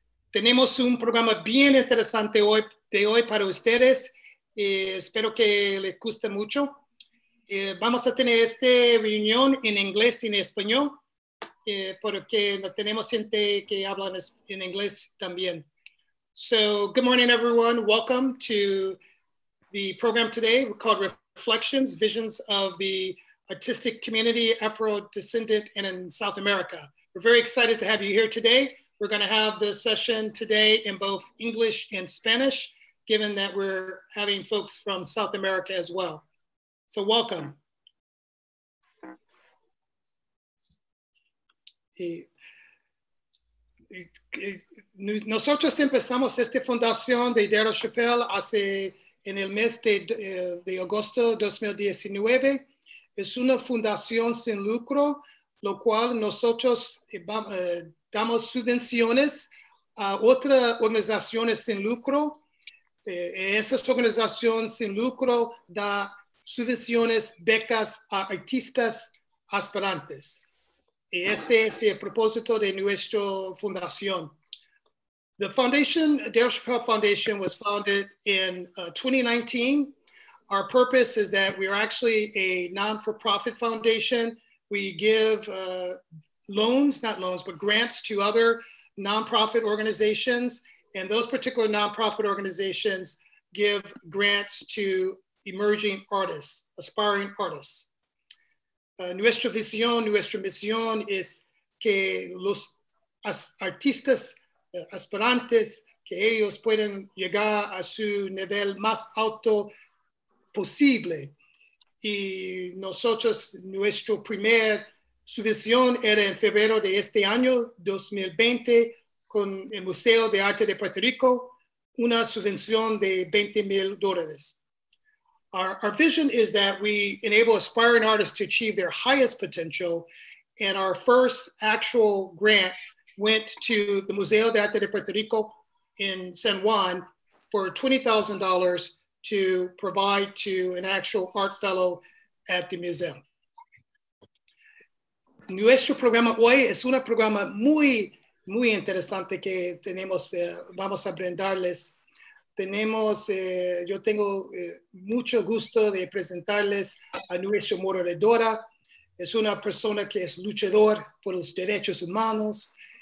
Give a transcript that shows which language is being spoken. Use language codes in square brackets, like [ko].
[es] Tenemos un programa bien interesante hoy para ustedes. Espero que les guste mucho. Vamos a tener esta reunión en inglés y en español, porque tenemos gente que habla en inglés también. [en] So, good morning, everyone. Welcome to the program today called Reflections, Visions of the Artistic Community, Afro-Descendant and in South America. We're very excited to have you here today. We're going to have this session today in both English and Spanish, given that we're having folks from South America as well. So welcome. [es] Nosotros empezamos esta fundación de Daryl Chappell hace en el mes de agosto 2019. Es una fundación sin lucro, lo cual nosotros damos subvenciones a otras organizaciones sin lucro. Esas organizaciones sin lucro da subvenciones, becas a artistas aspirantes. Y este es el propósito de nuestra fundación. [en] The foundation, Daryl Chappell Foundation, was founded in 2019. Our purpose is that we are actually a non-for-profit foundation. We give grants to other nonprofit organizations. And those particular nonprofit organizations give grants to emerging artists, aspiring artists. [es] Nuestra misión es que los artistas aspirantes, que ellos puedan llegar a su nivel más alto posible. Y nosotros, nuestro primer subvención era en febrero de este año, 2020, con el Museo de Arte de Puerto Rico, una subvención de $20,000. [en] Our vision is that we enable aspiring artists to achieve their highest potential, and our first actual grant went to the Museo de Arte de Puerto Rico in San Juan for $20,000 to provide to an actual art fellow at the museum. [es] Nuestro programa hoy es un programa muy, muy interesante que tenemos, vamos a brindarles. Tenemos, yo tengo mucho gusto de presentarles a nuestra moderadora. Es una persona que es luchador por los derechos humanos.